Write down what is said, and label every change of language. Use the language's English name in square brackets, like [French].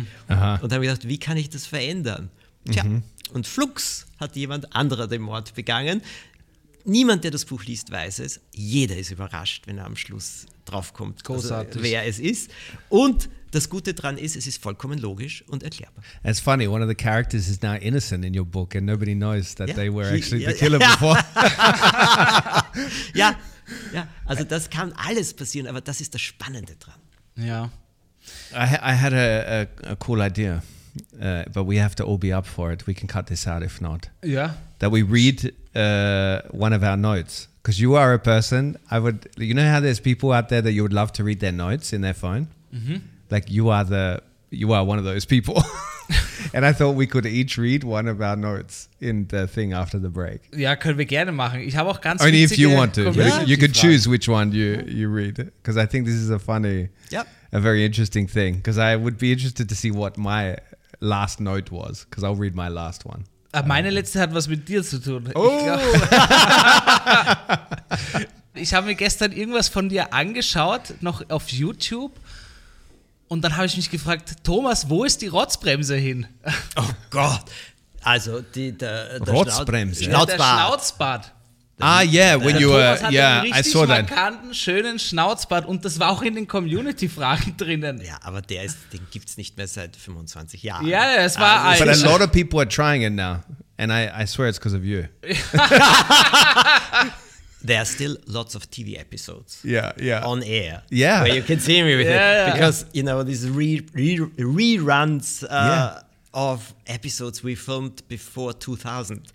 [German] Und habe gedacht, wie kann ich das verändern? Tja, und flugs hat jemand anderer den Mord begangen. Niemand, der das Buch liest, weiß es. Jeder ist überrascht, wenn er am Schluss draufkommt, wer es ist. Und das Gute dran ist, es ist vollkommen logisch und erklärbar. [English] It's funny, one of the characters is now innocent in your book and nobody knows that they were actually the killer before. [German] Ja, also das kann alles passieren, aber das ist das Spannende dran. Ja. [English] I had a cool idea, but we have to all be up for it. We can cut this out if not. Yeah. That we read one of our notes. Because you are a person, I would, you know how there's people out there that you would love to read their notes in their phone? Mm-hmm. Like you are one of those people. And I thought we could each read one of our notes in the thing after the break. [German] Ja, können wir gerne machen. Ich habe auch ganz [English] only if you want to. Yeah. You could choose which one you read. Because I think this is a funny, a very interesting thing. Because I would be interested to see what my last note was. Because I'll read my last one. [German] Meine letzte hat was mit dir zu tun. Oh. Ich habe mir gestern irgendwas von dir angeschaut, noch auf YouTube. Und dann habe ich mich gefragt, Thomas, wo ist die Rotzbremse hin? Oh Gott. Also der Rotzbremse. Der Schnauzbart. [English] Ah, yeah, when you were, yeah, I saw that. [German] Thomas hat einen markanten, schönen Schnauzbart und das war auch in den Community-Fragen drinnen. Ja, aber den gibt es nicht mehr seit 25 Jahren. Ja, yeah, es war [English] also, but a lot of people are trying it now and I swear it's because of you. There are still lots of TV episodes. Yeah, yeah. On air. Yeah. Where you can see me with it. Because, you know, these reruns of episodes we filmed before 2000.